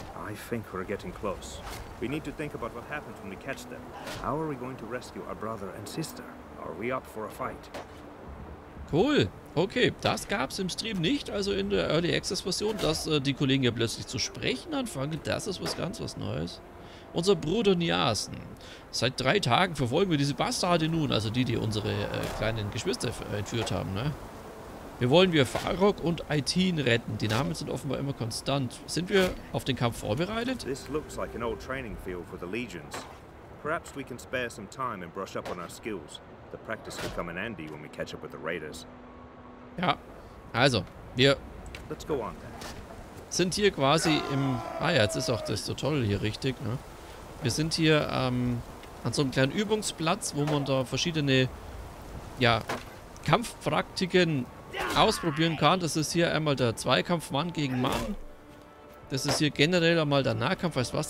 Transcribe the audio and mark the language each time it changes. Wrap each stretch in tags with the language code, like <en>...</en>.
<en>I think we're getting close. We need to think about what happens when we catch them. How are we going to rescue our brother and sister? Are we up for a fight? Cool.</en> <de>Okay, das gab's im Stream nicht, also in der Early Access Version, dass die Kollegen ja plötzlich zu sprechen anfangen, das ist was ganz was Neues. Unser Bruder Niasen. Seit 3 Tagen verfolgen wir diese Bastarde nun, also die unsere kleinen Geschwister entführt haben, ne? Wir wollen wir Farrok und Aitin retten. Die Namen sind offenbar immer konstant. Sind wir auf den Kampf vorbereitet?</de> <en>This looks like an old training field for the legions. Perhaps we can spare some time and brush up on our skills. The practice could come in handy when we catch up with the raiders.</en> <de>Ja. Also, wir</de> <en>Let's go on then.</en> <de>Sind hier quasi im Ah ja, jetzt ist auch das Tutorial hier richtig, ne? Wir sind hier an so einem kleinen Übungsplatz, wo man da verschiedene ja, Kampfpraktiken ausprobieren kann. Das ist hier einmal der Zweikampf Mann gegen Mann. Das ist hier generell einmal der Nahkampf. Weißt du was?</de>